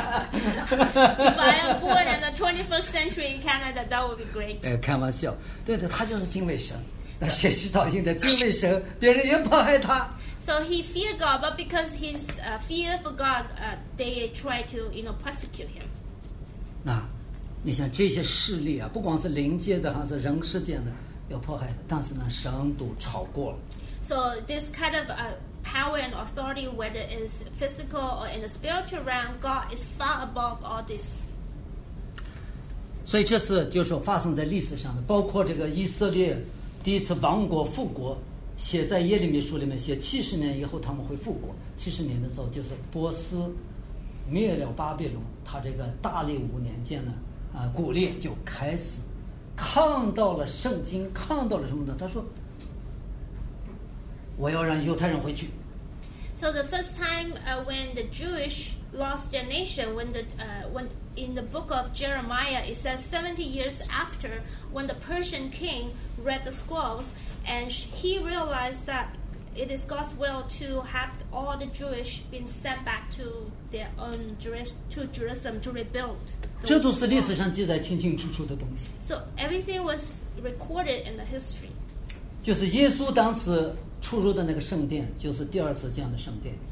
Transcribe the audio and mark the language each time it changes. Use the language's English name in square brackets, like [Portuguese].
[English] If I am born in the 21st century in Canada, that would be great. [Chinese] 哎，开玩笑，对的，他就是敬畏神。那先知道应着敬畏神，别人也不害他。 [English] So he feared God, but because his fear for God, they tried to, you know, persecute him. [Chinese] 那，你想这些势力啊，不光是灵界的，还是人世间的，要迫害他。但是呢，神都超过了。 [English] So this kind of power and authority, whether it's physical or in the spiritual realm, God is far above all this. [Chinese] 所以这次就是发生在历史上的，包括这个以色列第一次亡国复国。写在耶利米书里面写七十年以后他们会复国七十年的时候就是波斯灭了巴比伦他这个大力五年间呢古列就开始看到了圣经看到了什么呢他说我要让犹太人回去 [English] So the first time when the Jewish lost their nation when in the book of Jeremiah it says 70 years after when the Persian king read the scrolls And he realized that it is God's will to have all the Jewish been sent back to their own to Jerusalem to rebuild. [Chinese] 这都是历史上记载清清楚楚的东西。 [English] So everything was recorded in the history. [Chinese] 就是耶稣当时出入的那个圣殿，就是第二次建的圣殿。